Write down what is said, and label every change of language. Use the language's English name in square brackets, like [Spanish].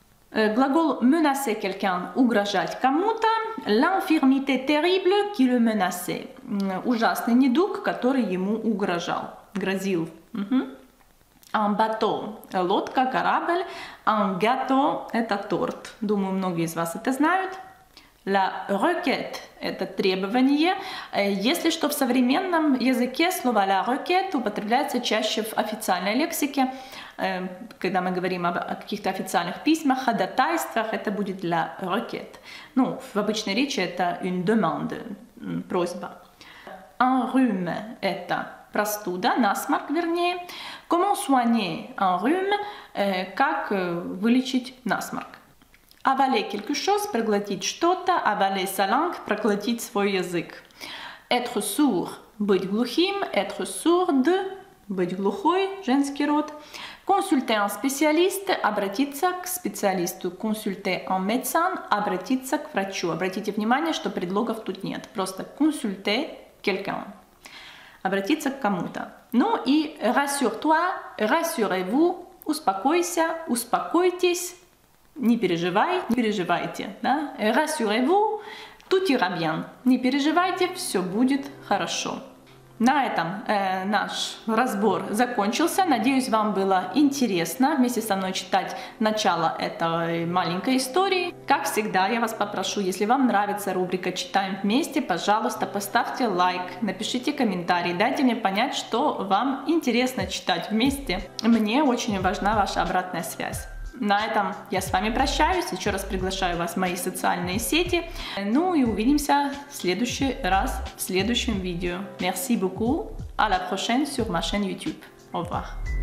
[French] Глагол menacer quelqu'un. [Russian] Угрожать кому-то. [French] L'infirmité terrible qui le menaçait. [Russian] Ужасный недуг, который ему угрожал. Грозил. [French] Un bateau. [Russian] Лодка, корабль. [French] Un gâteau. [Russian] Это торт. Думаю, многие из вас это знают. La requête – это требование. Если что, в современном языке слово la requête употребляется чаще в официальной лексике, когда мы говорим об каких-то официальных письмах, ходатайствах, это будет la requête. Ну, в обычной речи это une demande – просьба. [French] Un rhume [Russian] – это простуда, насморк, вернее. [French] Comment soigner un rhume – [Russian] как вылечить насморк. [French] Avaler quelque chose, [Russian] проглотить что-то, [French] avaler sa langue, [Russian] проглотить свой язык. [French] Être sourd, [Russian] быть глухим, [French] être sourde, [Russian] быть глухой, женский род. [French] Consulter un spécialiste, [Russian] обратиться к специалисту. [French] Consulter un médecin, [Russian] обратиться к врачу. Обратите внимание, что предлогов тут нет, просто [French] consulter quelqu'un. [Russian] Обратиться к кому-то. Ну и [French] rassure-toi, rassurez-vous, [Russian] успокойся, успокойтесь. Не переживай, не переживайте, да? [French] Rassurez-vous, tout ira bien. [Russian] Не переживайте, все будет хорошо. На этом наш разбор закончился. Надеюсь, вам было интересно вместе со мной читать начало этой маленькой истории. Как всегда, я вас попрошу, если вам нравится рубрика «Читаем вместе», пожалуйста, поставьте лайк, напишите комментарий, дайте мне понять, что вам интересно читать вместе. Мне очень важна ваша обратная связь. На этом я с вами прощаюсь, еще раз приглашаю вас в мои социальные сети. Ну и увидимся в следующий раз в следующем видео. [French] Merci beaucoup, à la prochaine sur ma chaîne YouTube. Au revoir.